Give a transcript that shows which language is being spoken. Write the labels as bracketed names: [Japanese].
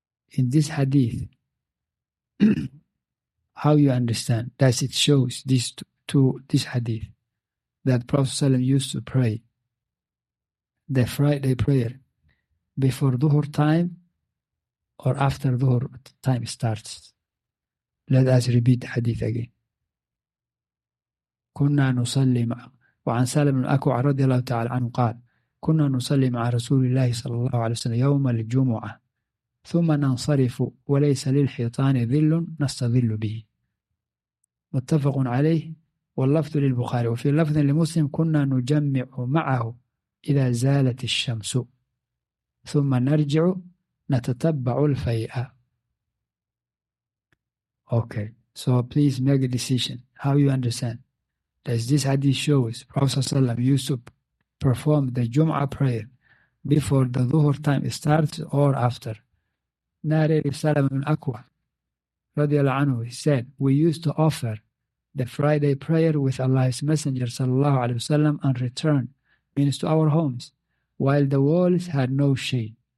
[English] In this hadith, how you understand, that it shows this to this hadith, that Prophet ﷺ used to pray the Friday prayer before Dhuhr time or after Dhuhr time starts. Let us repeat the hadith again. [Arabic] كُنَّا نُصَلِّ مَعَ وعن سالم بن أكوع رضي الله تعالى عنه قال كنا نصلي مع رسول الله صلى الله عليه وسلم يوم الجمعة ثم ننصرف وليس للحيطان ظل نستظل به، متفق عليه، واللفظ للبخاري. وفي لفظ لمسلم كنا نجمع معه إذا زالت الشمس ثم نرجع نتتبع الفيئة. [English] Okay, so please make a decision how you understand. Does this hadith show us Prophet ﷺ used to perform the Jum'ah prayer before the Dhuhr time starts or after? Narrated Salam ibn Akwa radiallahu anhu, he said, we used to offer the Friday prayer with Allah's Messenger sallallahu alayhi wasallam and return, means to our homes, while the walls had no shade.